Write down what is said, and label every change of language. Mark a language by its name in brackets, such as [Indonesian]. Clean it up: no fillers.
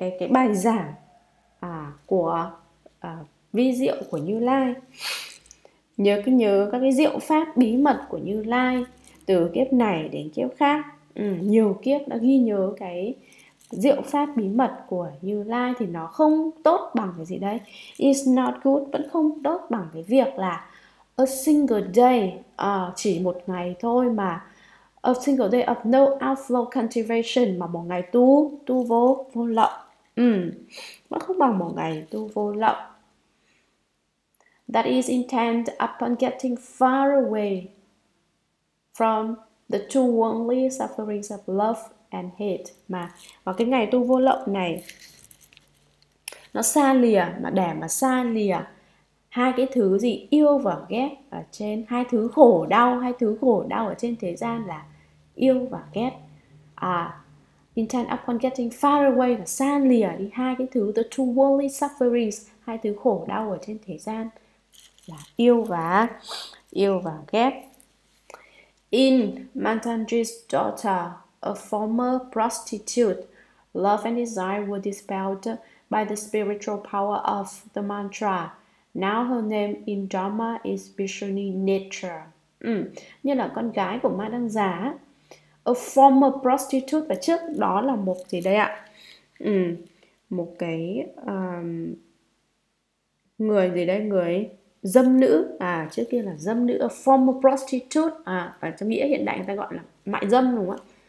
[Vietnamese] bài giảng của vi diệu của Như Lai, nhớ các cái diệu pháp bí mật của Như Lai từ kiếp này đến kiếp khác, nhiều kiếp đã ghi nhớ cái diệu pháp bí mật của Như Lai, thì nó không tốt bằng cái gì đấy, [English] is not good, [Vietnamese] vẫn không tốt bằng cái việc là [English] a single day, [Vietnamese] chỉ một ngày thôi mà. [English] A single day of no outflow cultivation, [Vietnamese] mà một ngày tu vô lậu, nó không bằng một ngày tu vô lậu. [English] That is intent upon getting far away from the two worldly sufferings of love and hate. [Vietnamese] Mà cái ngày tu vô lậu này nó xa lìa, mà để mà xa lìa hai cái thứ gì, yêu và ghét ở trên, hai thứ khổ đau ở trên thế gian là yêu và ghét. [English] Intent upon getting far away, [Vietnamese] là xa lìa đi hai cái thứ, [English] the two worldly sufferings, [Vietnamese] hai thứ khổ đau ở trên thế gian là yêu và ghét. [English] In Mataji's daughter, a former prostitute, love and desire were dispelled by the spiritual power of the mantra. Now her name in Dharma is Bhikshuni Netra. [Vietnamese] Như là con gái của ma đăng giá, [English] a former prostitute, [Vietnamese] và trước đó là một gì đây ạ? Một cái người gì đây, người dâm nữ, à trước kia là dâm nữ, [English] a former prostitute, [Vietnamese] à và trong nghĩa hiện đại người ta gọi là mại dâm đúng không ạ?